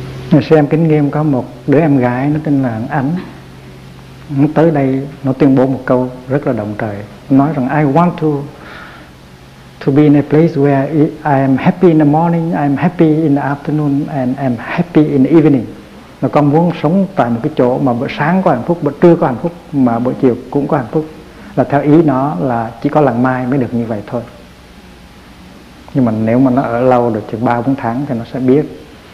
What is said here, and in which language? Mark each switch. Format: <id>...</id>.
<vi>Sư em Kính Nghiêm có một đứa em gái, nó tên là Ánh. Nó tới đây, nó tuyên bố một câu rất là động trời. Nói rằng</vi> <en>I want to be in a place where I am happy in the morning, I am happy in the afternoon, and I am happy in the evening.</en> <vi>Nó còn muốn sống tại một cái chỗ mà buổi sáng có hạnh phúc, buổi trưa có hạnh phúc, mà buổi chiều cũng có hạnh phúc. Là theo ý nó là chỉ có làng mai mới được như vậy thôi. Nhưng mà nếu mà nó ở lâu được chừng 3-4 tháng thì nó sẽ biết.</vi>